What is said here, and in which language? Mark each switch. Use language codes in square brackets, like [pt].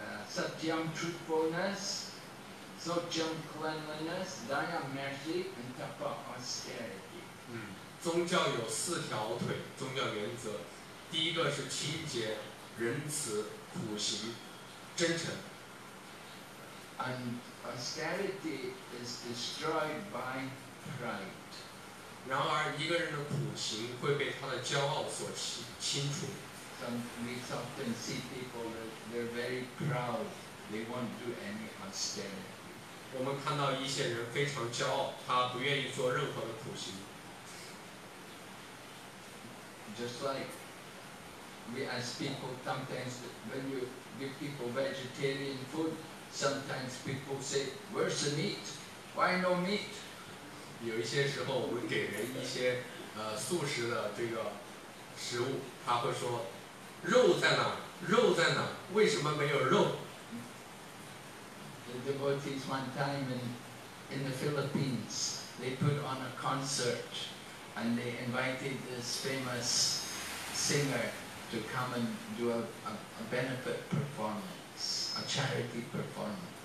[en] Satyam, truthfulness, sochyam, cleanliness, daya, mercy, and tapa, austerity. [zh] 宗教有四条腿，宗教原则，第一个是清洁、仁慈、苦行、真诚。 [en] And austerity is destroyed by pride. [zh] 然而，一个人的苦行会被他的骄傲所清除。 [en] We often see people that they're very proud. They won't do any austerity. [zh] 我们看到一些人非常骄傲，他不愿意做任何的苦行。 [en] Just like we ask people sometimes when you give people vegetarian food, sometimes people say, "Where's the meat? Why no meat?" [zh] 有一些时候，我们给人一些素食的这个食物，他会说，肉在哪？肉在哪？为什么没有肉？ [en] The devotees one time in the Philippines, they put on a concert. And they invited this famous singer to come and do a benefit performance, a charity performance.